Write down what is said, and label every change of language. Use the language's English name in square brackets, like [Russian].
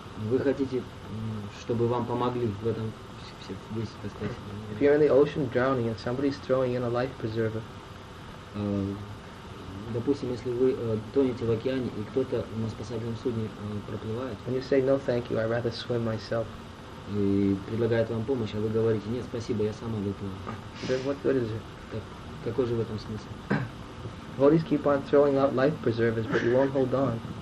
[Russian] Вы хотите, чтобы вам помогли в этом весь процесс. [English] If you're in the ocean drowning and somebody's throwing in a life preserver. [Russian] Допустим, если вы тонете в океане и кто-то на спасательном судне проплывает. [English] And you say no, thank you. I'd rather swim myself. [Russian] И предлагает вам помощь, а вы говорите нет, спасибо, я сам выплыву. [English] Then what good is it? [Russian] Какой же в этом смысл? [English] Devotees keep on throwing out life preservers, but you won't hold on.